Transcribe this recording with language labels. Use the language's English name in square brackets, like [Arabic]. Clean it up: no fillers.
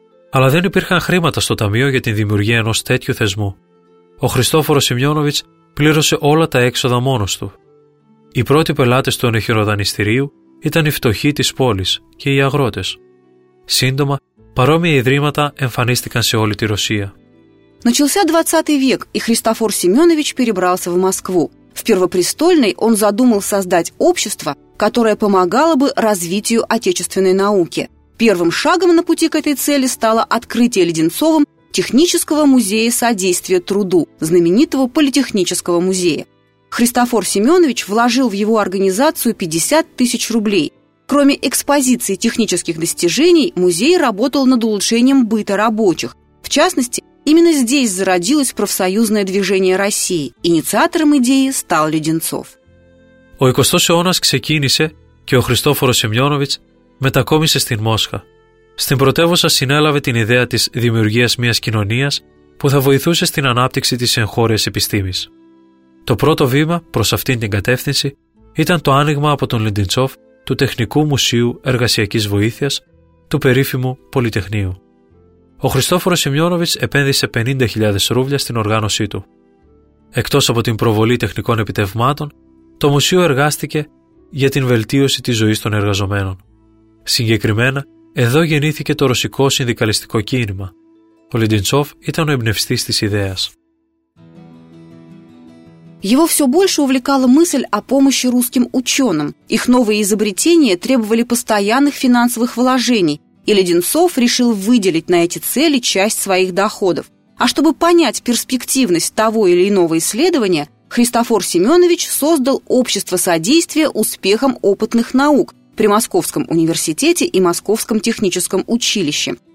[Greek] Αλλά δεν υπήρχαν χρήματα στο ταμείο για τη δημιουργία ενός τέτοιου θεσμού. Ο Χριστόφορος Σιμιόνοβιτς πλήρωσε όλα τα έξοδα μόνος του. Οι πρώτοι πελάτες του ενεχειροδανειστηρίου ήταν οι φτωχοί της πόλης και οι αγρότες. Σύντομα, παρόμοια ιδρύματα εμφανίστηκαν σε όλη τη Ρωσία. [Russian] Начался 20 век, и Христофор Семенович перебрался в Москву. В Первопрестольной он задумал создать общество, которая помогала бы развитию отечественной науки. Первым шагом на пути к этой цели стало открытие Леденцовым Технического музея содействия труду, знаменитого политехнического музея. Христофор Семенович вложил в его организацию 50 тысяч рублей. Кроме экспозиции технических достижений, музей работал над улучшением быта рабочих. В частности, именно здесь зародилось профсоюзное движение России. Инициатором идеи стал Леденцов. [Greek] Ο 20ος αιώνας ξεκίνησε και ο Χριστόφορος Σημειώνοβιτς μετακόμισε στην Μόσχα. Στην πρωτεύουσα συνέλαβε την ιδέα της δημιουργίας μιας κοινωνίας που θα βοηθούσε στην ανάπτυξη της εγχώριας επιστήμης. Το πρώτο βήμα προς αυτήν την κατεύθυνση ήταν το άνοιγμα από τον Λεντιντσόφ του Τεχνικού Μουσείου Εργασιακής Βοήθειας του περίφημου Πολυτεχνείου. Ο Χριστόφορος Σημειώνοβιτς επένδυσε 50.000 ρούβλια στην οργάνωσή του. Εκτός από την προβολή τεχνικών επιτευγμάτων, το μουσείο εργάστηκε για την βελτίωση της ζωής των εργαζομένων. Συγκεκριμένα, εδώ γεννήθηκε το ρωσικό συνδικαλιστικό κίνημα. Ο Λεντιντσόφ ήταν ο εμπνευστής της ιδέας. [Russian] Его все больше увлекала мысль о помощи русским ученым. Их новые изобретения требовали постоянных финансовых вложений, и Леденцов решил выделить на эти цели часть своих доходов. А чтобы понять перспективность того или иного исследования, Христофор Семенович создал Общество содействия успехам опытных наук при Московском университете и Московском техническом училище.